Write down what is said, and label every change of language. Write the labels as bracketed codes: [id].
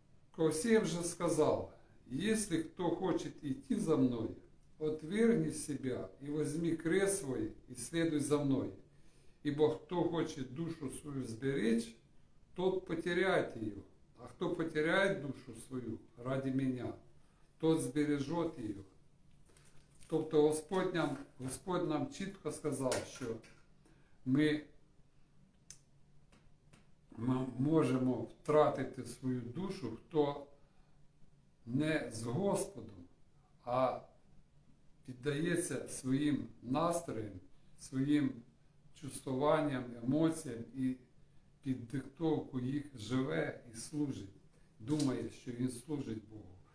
[uk] Ко всім же сказав, «Если хто хоче йти за мною, [ru] отвергни себя [uk] і [ru] возьми крест свой [uk] і слідуй за мною. [ru] Ибо [uk] хто хоче [ru] душу свою зберечь, тот потеряет ее, а кто потеряет душу свою ради меня, тот сбережет ее». [uk] Тобто Господь нам чітко сказав, що ми можемо втратити свою душу, хто не з Господом, а піддається своїм настроям, своїм чувствуванням, емоціям і під диктовку їх живе і служить, думає, що він служить Богу.